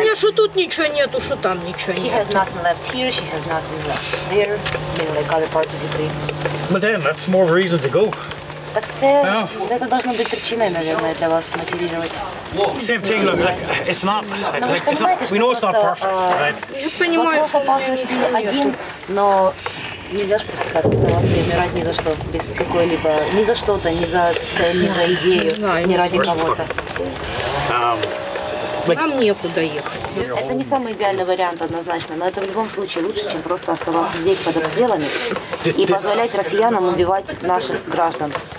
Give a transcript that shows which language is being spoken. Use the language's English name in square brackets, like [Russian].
[Ukrainian] Ні, що тут нічого нету, що там нічого нету. [English] She has nothing left here, she has nothing left there. Then they got a part of the dream. Well then, that's more of a reason to go. [Ukrainian] Так це, це повинна бути причиною, мабуть, для вас мотивувати. [English] Same thing, look, like, it's not, like, it's not, we know it's not perfect, right? [Russian] Я понимаю, вопрос опасности один, но нельзя же просто так оставаться и умирать ни за что, без какой-либо, ни за что-то, ни за цель, ни за идею, ни ради кого-то. Нам некуда ехать. Это не самый идеальный вариант однозначно, но это в любом случае лучше, чем просто оставаться здесь под обстрелами и позволять россиянам убивать наших граждан.